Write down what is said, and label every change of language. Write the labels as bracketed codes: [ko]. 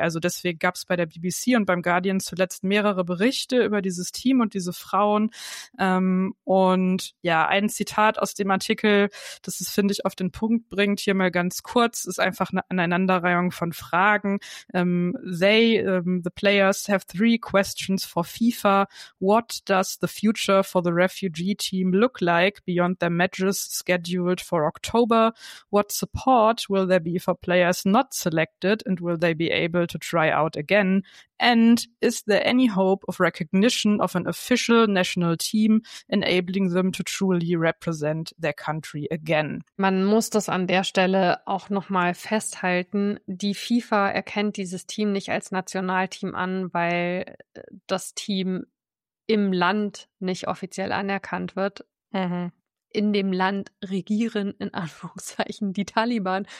[de] Also deswegen gab es bei der BBC und beim Guardian zuletzt mehrere Berichte über dieses Team und diese Frauen. Und ja, ein Zitat aus dem Artikel, das es, finde ich, auf den Punkt bringt, hier mal ganz kurz, ist einfach eine Aneinanderreihung von Fragen. [en] The players have three questions for FIFA. What does the future for the refugee team look like beyond their matches scheduled for October? What support will there be for players not selected and will they be able to try out again? And is there any hope of recognition of an official national team enabling them to truly represent their country again? [de] Man muss das an der Stelle auch nochmal festhalten. Die FIFA erkennt dieses Team nicht als Nationalteam an, weil das Team im Land nicht offiziell anerkannt wird. Mhm. In dem Land regieren, in Anführungszeichen, die Taliban.